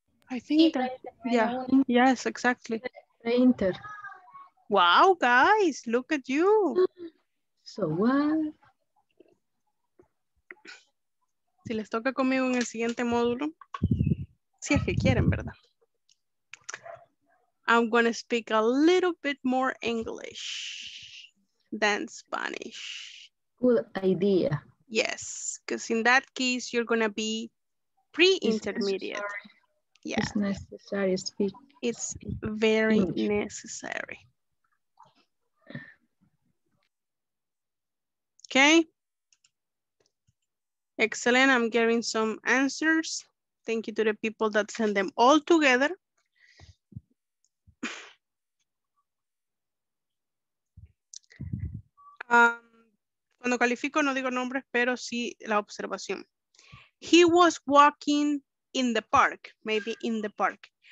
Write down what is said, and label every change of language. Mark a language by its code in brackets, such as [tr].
[en] I think that, yeah, yes, exactly. Inter. Wow, guys, look at you. So what? [es] Si les toca conmigo en el siguiente módulo, si es que quieren, ¿verdad? [en] I'm gonna speak a little bit more English than Spanish. Good idea. Yes, because in that case, you're gonna be pre-intermediate. Yeah. It's necessary to speak. It's very English. Necessary. Okay. Excellent. I'm getting some answers. Thank you to the people that send them all together. [es] Cuando califico, no digo nombres, pero sí la observación. [en] He was walking in the park, maybe in the park.